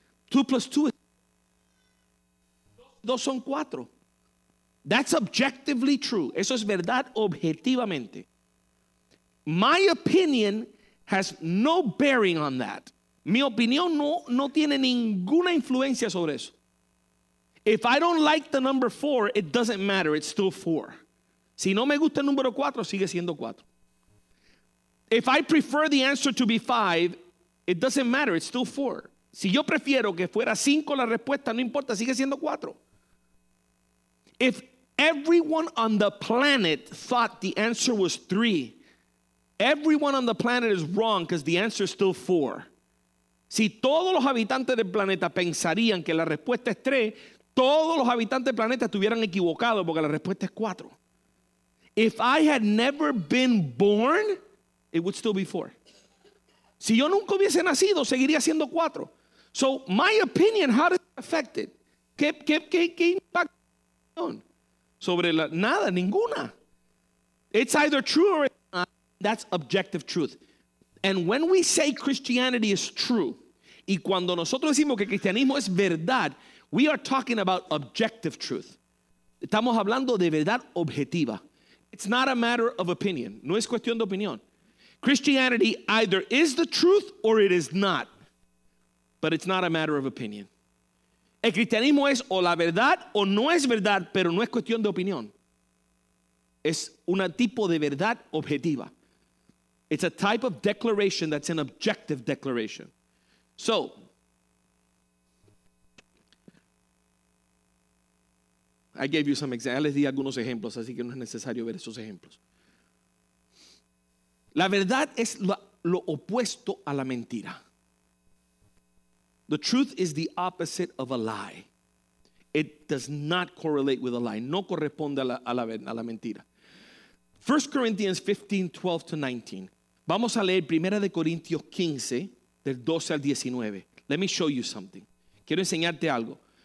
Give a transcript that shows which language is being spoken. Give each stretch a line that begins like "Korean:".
English: 2 plus 2 is 2
Spanish: son 4.
English: That's objectively true.
Spanish: Eso es verdad objetivamente.
English: My opinion has no bearing on that.
Spanish: Mi opinión no tiene ninguna influencia sobre eso.
English: If I don't like the number 4, it doesn't matter. It's still 4.
Spanish: Si no me gusta el número 4, sigue siendo 4.
English: If I prefer the answer to be 5, it doesn't matter. It's still 4.
Spanish: Si yo prefiero que fuera 5 la respuesta, no importa, sigue siendo 4.
English: If everyone on the planet thought the answer was 3, everyone on the planet is wrong because the answer is still 4.
Spanish: Si todos los habitantes del planeta pensarían que la respuesta es 3, todos los habitantes del planeta estuvieran equivocados porque la respuesta es 4.
English: If I had never been born, it would still be 4.
Spanish: Si yo nunca hubiese nacido, seguiría siendo 4.
English: So my opinion, how does it affect it?
Spanish: ¿Qué impacto? Sobre la, nada, ninguna.
English: It's either true or it's not. That's objective truth. And when we say Christianity is true,
Spanish: y cuando nosotros decimos que cristianismo es verdad,
English: we are talking about objective truth.
Spanish: Estamos hablando de verdad objetiva.
English: It's not a matter of opinion.
Spanish: No es cuestión de opinión.
English: Christianity either is the truth or it is not. But it's not a matter of opinion.
Spanish: El cristianismo es o la verdad o no es verdad, pero no es cuestión de opinión. Es un tipo de verdad objetiva.
English: It's a type of declaration that's an objective declaration. So, I gave you some examples.
Spanish: Les di algunos ejemplos, así que no es necesario ver esos ejemplos. La verdad es lo opuesto a la mentira.
English: The truth is the opposite of a lie. It does not correlate with a lie.
Spanish: No corresponde a la mentira.
English: 1 Corinthians 15:12-19.
Spanish: Vamos a leer 1 de Corintios 15, del 12 al 19.
English: Let me show you something.
Spanish: Quiero enseñarte algo.